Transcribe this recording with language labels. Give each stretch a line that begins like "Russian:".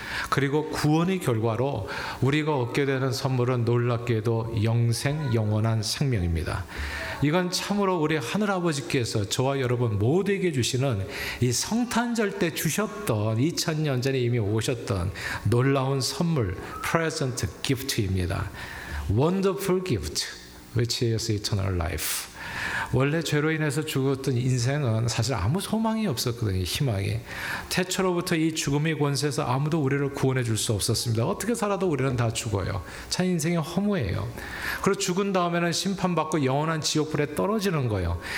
Korean: 그리고 구원의 결과로 우리가 얻게 되는 선물은 놀랍게도 영생, 영원한 생명입니다. 이건 참으로 우리 하늘아버지께서 저와 여러분 모두에게 주시는 이 성탄절 때 주셨던 2000년 전에 이미 오셨던 놀라운 선물, present gift입니다.
English: Wonderful gift, which is eternal life.
Korean: 원래 죄로 인해서 죽었던 인생은 사실 아무 소망이 없었거든요. 희망이. 태초로부터 이 죽음의 권세에서 아무도 우리를 구원해 줄 수 없었습니다. 어떻게 살아도 우리는 다 죽어요. 참 인생이 허무해요. 그리고 죽은 다음에는 심판받고 영원한 지옥불에 떨어지는 거예요.